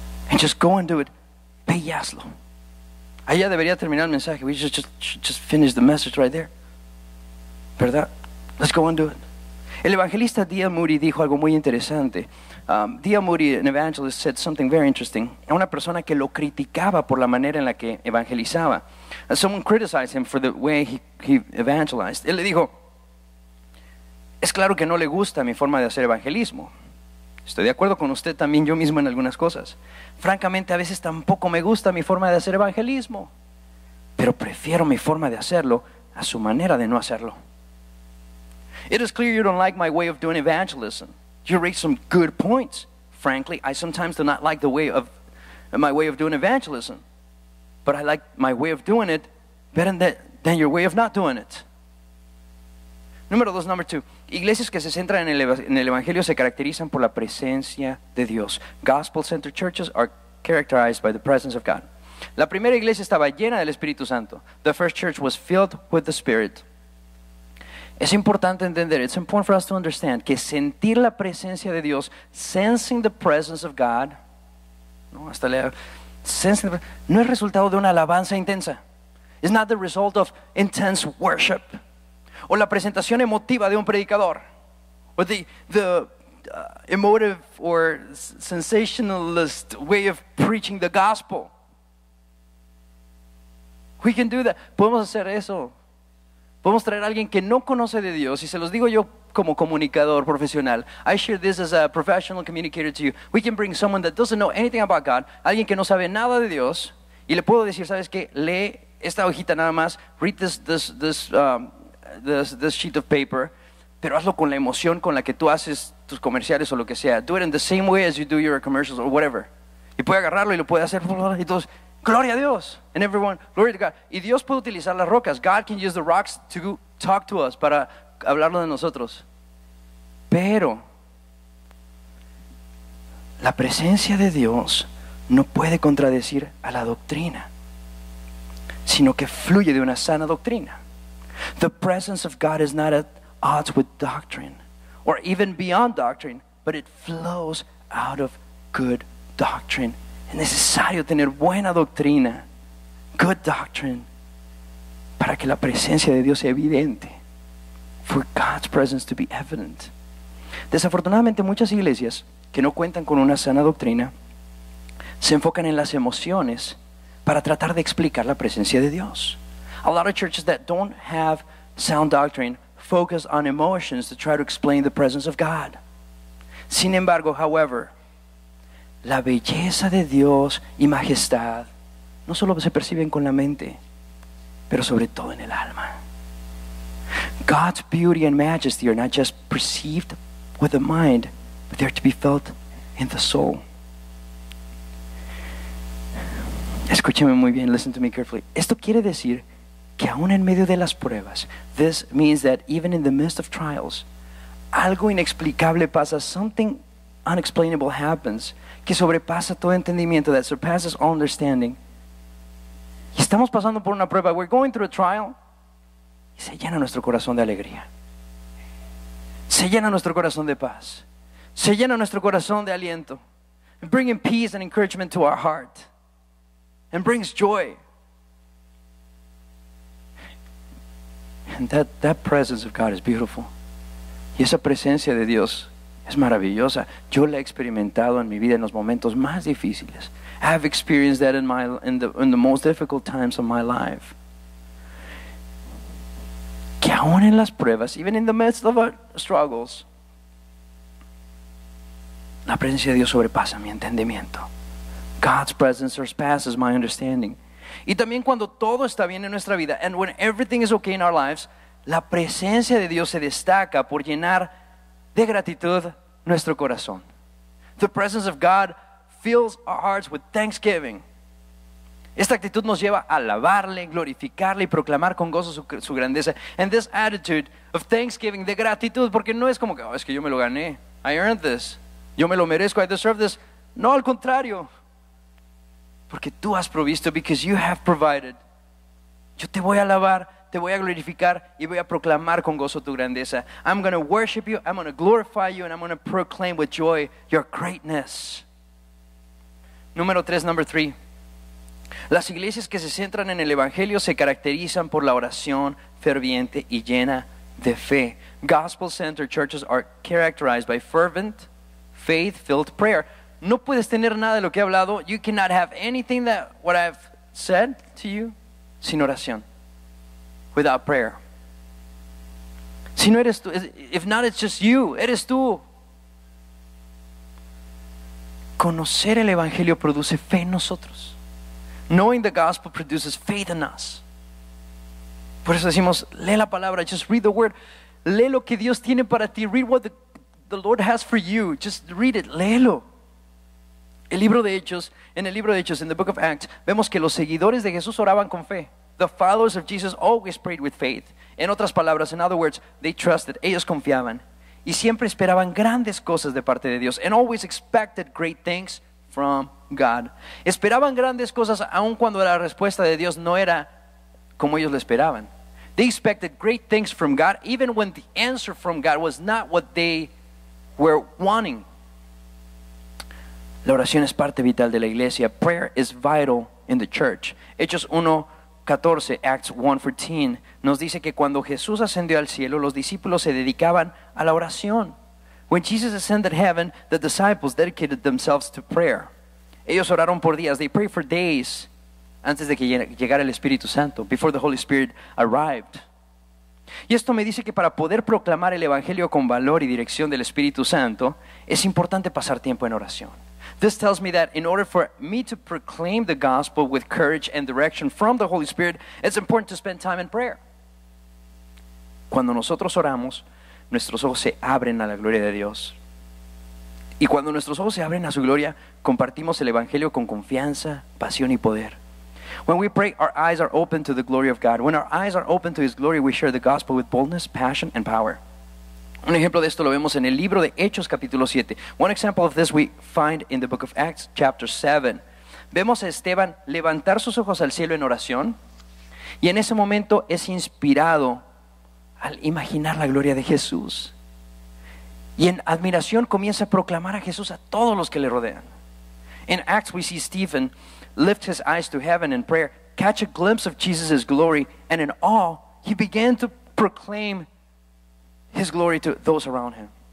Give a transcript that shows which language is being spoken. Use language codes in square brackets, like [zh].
[en] And just go and do it. [es] Ve y hazlo. Ahí ya debería terminar el mensaje. [en] We just finish the message right there. [es] ¿Verdad? [en] Let's go and do it. [es] El evangelista D.L. Moody dijo algo muy interesante. [en] D.L. Moody, an evangelist, said something very interesting. [es] A una persona que lo criticaba por la manera en la que evangelizaba. [en] Someone criticized him for the way he evangelized. [es] Él le dijo, es claro que no le gusta mi forma de hacer evangelismo. Estoy de acuerdo con usted también, yo mismo, en algunas cosas. Francamente, a veces tampoco me gusta mi forma de hacer evangelismo. Pero prefiero mi forma de hacerlo a su manera de no hacerlo. [en] It is clear you don't like my way of doing evangelism. You raised some good points. Frankly, I sometimes do not like my way of doing evangelism. But I like my way of doing it better than your way of not doing it. [es] Número dos, [en] number two. [es] Iglesias que se centran en el evangelio se caracterizan por la presencia de Dios. [en] Gospel-centered churches are characterized by the presence of God. [es] La primera iglesia estaba llena del Espíritu Santo. [en] The first church was filled with the Spirit. [es] Es importante entender, [en] it's important for us to understand, [es] que sentir la presencia de Dios, [en] sensing the presence of God, [es] no, hasta leer, sensing, no es resultado de una alabanza intensa. [en] It's not the result of intense worship. [es] O la presentación emotiva de un predicador. [en] O the emotive or sensationalist way of preaching the gospel. We can do that. [es] Podemos hacer eso. Podemos traer a alguien que no conoce de Dios. Y se los digo yo como comunicador profesional. [en] I share this as a professional communicator to you. We can bring someone that doesn't know anything about God. [es] Alguien que no sabe nada de Dios. Y le puedo decir, ¿sabes qué? Lee esta hojita nada más. [en] Read this sheet of paper. [es] Pero hazlo con la emoción con la que tú haces tus comerciales o lo que sea. [en] Do it in the same way as you do your commercials or whatever. [es] Y puede agarrarlo y lo puede hacer. Y todos, gloria a Dios. [en] And everyone, glory to God. [es] Y Dios puede utilizar las rocas. [en] God can use the rocks to talk to us, [es] para hablarlo de nosotros. Pero la presencia de Dios no puede contradecir a la doctrina, sino que fluye de una sana doctrina. [en] The presence of God is not at odds with doctrine, or even beyond doctrine, but it flows out of good doctrine. [es] Es necesario tener buena doctrina, [en] good doctrine, [es] para que la presencia de Dios sea evidente. [en] For God's presence to be evident. [es] Desafortunadamente, muchas iglesias que no cuentan con una sana doctrina se enfocan en las emociones para tratar de explicar la presencia de Dios. [en] A lot of churches that don't have sound doctrine focus on emotions to try to explain the presence of God. [es] Sin embargo, however, la belleza de Dios y majestad no solo se perciben con la mente, pero sobre todo en el alma. [en] God's beauty and majesty are not just perceived with the mind, but they are to be felt in the soul. [es] Escúcheme muy bien, [en] listen to me carefully. [es] Esto quiere decir que aún en medio de las pruebas, [en] this means that even in the midst of trials, [es] algo inexplicable pasa, [en] something unexplainable happens, [es] que sobrepasa todo entendimiento, [en] that surpasses all understanding. [es] Y estamos pasando por una prueba, [en] we're going through a trial, [es] y se llena nuestro corazón de alegría. Se llena nuestro corazón de paz. Se llena nuestro corazón de aliento. [en] And bringing peace and encouragement to our heart. And brings joy. And that presence of God is beautiful. [es] Y esa presencia de Dios es maravillosa. Yo la he experimentado en mi vida en los momentos más difíciles. [en] I have experienced that in the most difficult times of my life. [es] Que aún en las pruebas, [en] even in the midst of our struggles, [es] La presencia de Dios sobrepasa mi entendimiento. [en] God's presence surpasses my understanding. [es] Y también cuando todo está bien en nuestra vida, [en] and when everything is okay in our lives, [es] la presencia de Dios se destaca por llenar de gratitud nuestro corazón. [en] The presence of God fills our hearts with thanksgiving. [es] Esta actitud nos lleva a alabarle, glorificarle y proclamar con gozo su grandeza. [en] And this attitude of thanksgiving, [es] de gratitud, porque no es como que, oh, es que yo me lo gané. [en] I earned this. [es] Yo me lo merezco. [en] I deserve this. [es] No, al contrario. Porque tú has provisto, [en] because you have provided. [es] Yo te voy a alabar, te voy a glorificar y voy a proclamar con gozo tu grandeza. [en] I'm going to worship you, I'm going to glorify you, and I'm going to proclaim with joy your greatness. [es] Número 3. Las iglesias que se centran en el evangelio se caracterizan por la oración ferviente y llena de fe. [en] Gospel-centered churches are characterized by fervent, faith-filled prayer. [es] No puedes tener nada de lo que he hablado. [en] You cannot have anything that what I've said to you [es] sin oración. [en] Without prayer. [es] Si no eres tú, [en] if not, it's just you. [es] Eres tú. Conocer el evangelio produce fe en nosotros. [en] Knowing the gospel produces faith in us. [es] Por eso decimos, lee la palabra. [en] Just read the word. [es] Lee lo que Dios tiene para ti. [en] Read what the Lord has for you. Just read it. [es] Léelo. El libro de Hechos, en el libro de Hechos, [en] in the book of Acts, [es] vemos que los seguidores de Jesús oraban con fe. [en] The followers of Jesus always prayed with faith. [es] En otras palabras, [en] in other words, they trusted, [es] ellos confiaban. Y siempre esperaban grandes cosas de parte de Dios. [en] And always expected great things from God. [es] Esperaban grandes cosas aun cuando la respuesta de Dios no era como ellos lo esperaban. [en] They expected great things from God even when the answer from God was not what they were wanting. [es] La oración es parte vital de la iglesia. [en] Prayer is vital in the church. [es] Hechos 1:14, Acts 1:14, nos dice que cuando Jesús ascendió al cielo, los discípulos se dedicaban a la oración. [en] When Jesus ascended heaven, the disciples dedicated themselves to prayer. [es] Ellos oraron por días. [en] They prayed for days [es] antes de que llegara el Espíritu Santo, [en] before the Holy Spirit arrived. [es] Y esto me dice que para poder proclamar el evangelio con valor y dirección del Espíritu Santo, es importante pasar tiempo en oración. [en] This tells me that in order for me to proclaim the gospel with courage and direction from the Holy Spirit, it's important to spend time in prayer. [es] Cuando nosotros oramos, nuestros ojos se abren a la gloria de Dios. Y cuando nuestros ojos se abren a su gloria, compartimos el evangelio con confianza, pasión y poder. [en] When we pray, our eyes are open to the glory of God. When our eyes are open to His glory, we share the gospel with boldness, passion, and power. [es] Un ejemplo de esto lo vemos en el libro de Hechos, capítulo 7. [en] One example of this we find in the book of Acts, chapter 7. [es] Vemos a Esteban levantar sus ojos al cielo en oración, y en ese momento es inspirado al imaginar la gloria de Jesús. Y en admiración comienza a proclamar a Jesús a todos los que le rodean. [en] In Acts we see Stephen lift his eyes to heaven in prayer, catch a glimpse of Jesus' glory, and in awe he began to proclaim His glory to those around him.